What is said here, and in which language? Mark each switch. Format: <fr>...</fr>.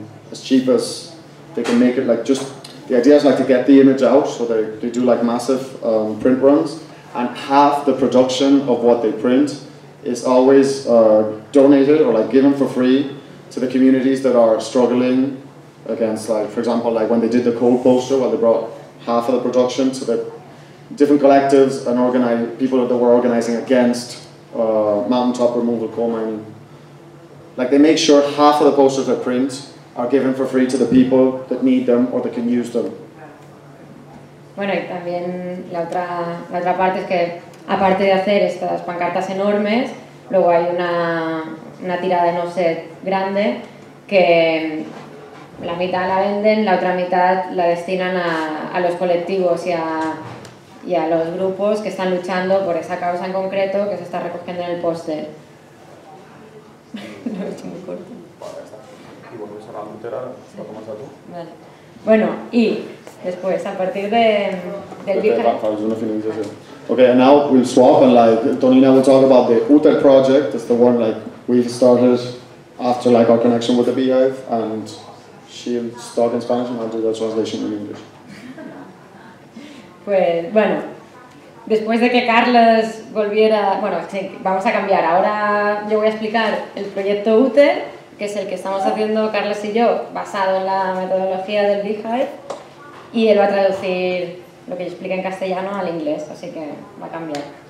<en>as cheap as they can make it, like, just, the idea is, like, to get the image out, so they do, like, massive print runs, and half the production of what they print is always donated or like given for free to the communities that are struggling against, like, for example, like when they did the coal poster, well, they brought half of the production to the different collectives and people that were organizing against mountaintop removal coal mining. Like, they make sure half of the posters they print are given for free to the people that need them or that can use them.</en> <es>Bueno, y también la otra parte es que, aparte de hacer estas pancartas enormes, luego hay una tirada en offset grande que la mitad la venden, la otra mitad la destinan a los colectivos y a los grupos que están luchando por esa causa en concreto que se está recogiendo en el póster. Lo he hecho muy corto. Vale, ya está. Y volvemos a la puntera, sí. ¿Lo comienza tú? Vale. Bueno, y después, a partir del viaje.</es> <en>Okay, and now we'll swap, and like Tonina will talk about the Uter project. It's the one like we started after like our connection with the Beehive, and she'll start in Spanish and I'll do the translation in English.</en> <es>Pues bueno, después de que Carlos volviera, bueno, sí, vamos a cambiar. Ahora yo voy a explicar el proyecto Uter, que es el que estamos haciendo Carlos y yo, basado en la metodología del Beehive, y él va a traducir lo que yo explico en castellano al inglés, así que va a cambiar.</es>